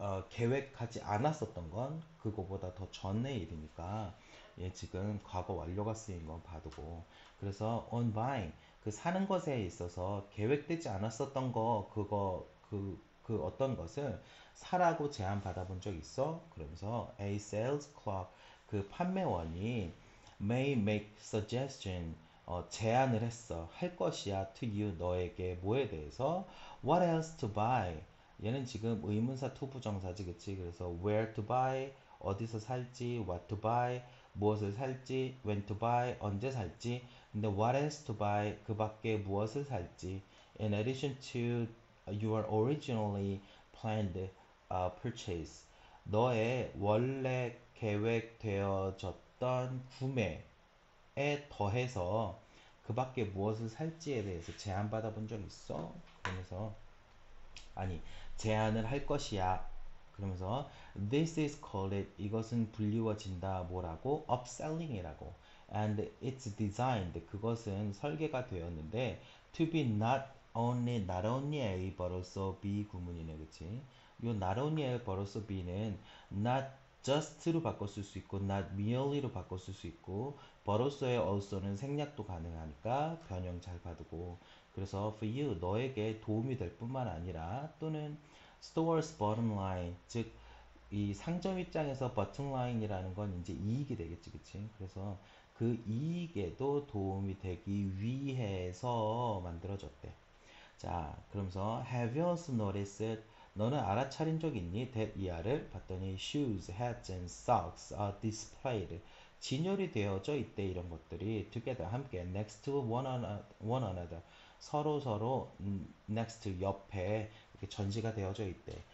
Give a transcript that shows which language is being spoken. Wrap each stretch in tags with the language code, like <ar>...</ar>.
<ko>계획하지 않았었던 건 그거보다 더 전의 일이니까 얘 지금 과거 완료가 쓰인 건 봐두고 그래서</ko> <en>on buying</en> <ko>그 사는 것에 있어서 계획되지 않았었던 거 그거 그 어떤 것을 사라고 제안 받아본 적 있어? 그러면서</ko> <en>a sales clerk</en> <ko>그 판매원이</ko> <en>may make suggestion</en> <ko>제안을 했어 할 것이야 to you 너에게 뭐에 대해서</ko> <en>what else to buy</en> <ko>얘는 지금 의문사 to부 정사지, 그치? 그래서 where to buy, 어디서 살지, what to buy, 무엇을 살지, when to buy, 언제 살지. 근데 what else to buy, 그 밖에 무엇을 살지.</ko> <en>In addition to your originally planned purchase,</en> <ko>너의 원래 계획되어졌던 구매에 더해서 그 밖에 무엇을 살지에 대해서 제안받아 본적 있어? 그러면서 아니, 제안을 할 것이야.</ko> <en>그러면서, This is called it.</en> <ko>이것은 불리워진다. 뭐라고? Upselling이라고.</ko> <en>And it's designed.</en> <ko>그것은 설계가 되었는데,</ko> <en>to be not only A, but also B</en> <ko>구문이네. 그치? 요 not only A, but also B는 not just로 바꿔 쓸수 있고, not merely로 바꿔 쓸수 있고, but also의 also는 생략도 가능하니까 변형 잘 봐두고, 그래서 for you 너에게 도움이 될 뿐만 아니라 또는 stores bottom line 즉이 상점 입장에서 bottom line이라는 건 이제 이익이 되겠지 그치 그래서 그 이익에도 도움이 되기 위해서 만들어졌대 자 그러면서</ko> <en>have you also noticed</en> <ko>너는 알아차린 적 있니? That 이하를 봤더니</ko> <en>shoes, hats and socks are displayed.</en> <ko>진열이 되어져 있대. 이런 것들이 together 함께</ko> <en>next to one another</en> <ko>서로서로 next 옆에 이렇게 전시가 되어져 있대.</ko>